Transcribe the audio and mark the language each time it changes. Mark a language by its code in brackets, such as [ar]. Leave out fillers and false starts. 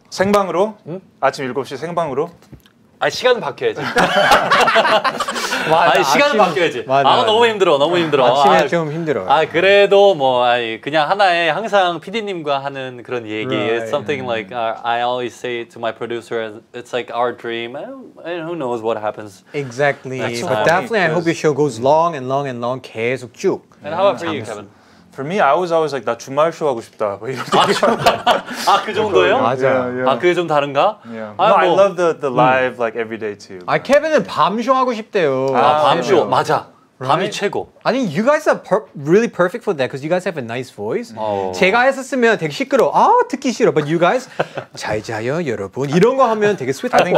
[ko] 생방으로 응? 아침 7시 생방으로 아 시간은 바뀌어야지. 아 시간은 바뀌어야지. 아 너무 힘들어, 너무 힘들어. 아침에 좀 힘들어. 아 그래도 뭐 아니 그냥 하나의 항상 PD님과 하는 그런 얘기. [en] Right. Something like I always say to my producer, it's like our dream, and who knows what happens. Exactly. That's but definitely, I hope your show goes long and long and long. [ko] 계속 쭉. [en] And how about for you, Kevin? For me, I was always like, [ko] 나 주말 쇼 하고 싶다. 뭐 이런 느낌. 아, 그 정도요? 맞아요. Yeah, yeah. 아, 그게 좀 다른가? [en] Yeah. No, 아, 뭐. I love the live like every day too. [ko] 아, 케빈은 밤 쇼 하고 싶대요. 아, 밤 쇼. 맞아. Right? 밤이 최고. [en] I mean, you guys are really perfect for that because you guys have a nice voice. Oh. [ko] 제가 했었으면 되게 시끄러워. 아, 듣기 싫어. [en] But you guys, [ko] 잘 자요, 여러분. 이런 거 하면 되게 스윗할 것 같아요.